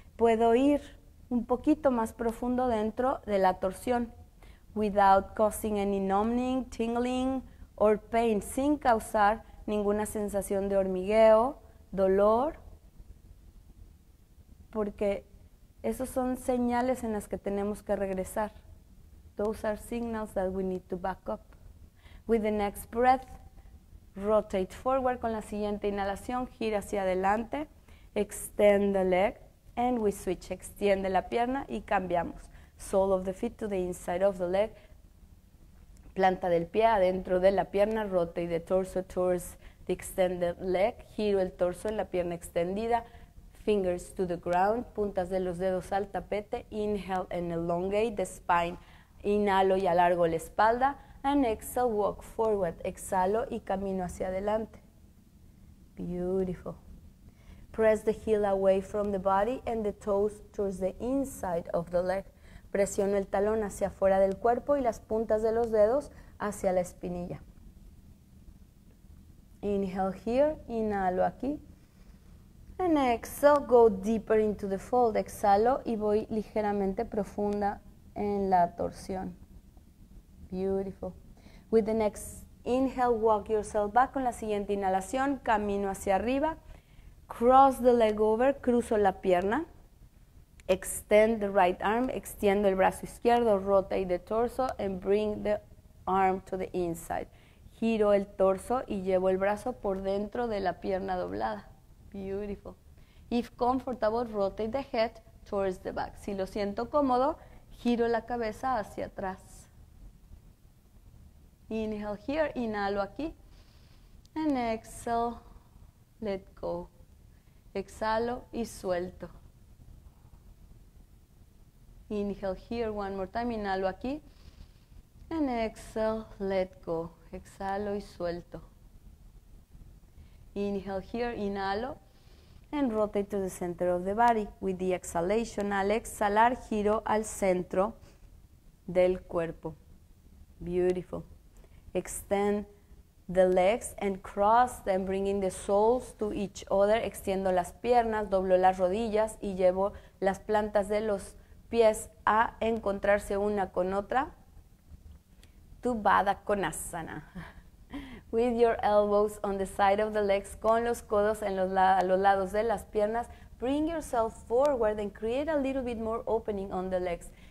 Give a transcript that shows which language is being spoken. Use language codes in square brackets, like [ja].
[es] Puedo ir un poquito más profundo dentro de la torsión. [en] Without causing any numbing, tingling, or pain, [es] sin causar ninguna sensación de hormigueo, dolor, porque esos son señales en las que tenemos que regresar. [en] Those are signals that we need to back up. With the next breath, rotate forward. [es] Con la siguiente inhalación, gira hacia adelante, [en] extend the leg, and we switch. [es] Extiende la pierna y cambiamos. [en] Sole of the feet to the inside of the leg. [es] Planta del pie adentro de la pierna, [en] rotate the torso towards the extended leg, [es] giro el torso en la pierna extendida, [en] fingers to the ground, [es] puntas de los dedos al tapete, [en] inhale and elongate the spine, [es] inhalo y alargo la espalda, [en] and exhale, walk forward, [es] exhalo y camino hacia adelante. Beautiful. [en] Press the heel away from the body and the toes towards the inside of the leg. [es] Presiono el talón hacia afuera del cuerpo y las puntas de los dedos hacia la espinilla. [en] Inhale here, [es] inhalo aquí. [en] And exhale, go deeper into the fold. [es] Exhalo y voy ligeramente profunda en la torsión. [en] Beautiful. With the next inhale, walk yourself back. [es] Con la siguiente inhalación, camino hacia arriba. [en] Cross the leg over, [es] cruzo la pierna. [en] Extend the right arm, [es] extiendo el brazo izquierdo, [en] rotate the torso and bring the arm to the inside. [es] Giro el torso y llevo el brazo por dentro de la pierna doblada. [en] Beautiful. If comfortable, rotate the head towards the back. [es] Si lo siento cómodo, giro la cabeza hacia atrás. [en] Inhale here, [es] inhalo aquí. [en] And exhale, let go. [es] Exhalo y suelto. [en] Inhale here one more time, [es] inhalo aquí, [en] and exhale, let go, [es] exhalo y suelto. [en] Inhale here, inhalo, and rotate to the center of the body. With the exhalation, [es] al exhalar, giro al centro del cuerpo. Beautiful. [en] Extend the legs and cross them, bringing the soles to each other. [es] Extiendo las piernas, doblo las rodillas y llevo las plantas de los pies a encontrarse una con otra. [en] Tu Baddha Konasana. With your elbows on the side of the legs, [es] con los codos en los lados de las piernas, [en] bring yourself forward and create a little bit more opening on the legs.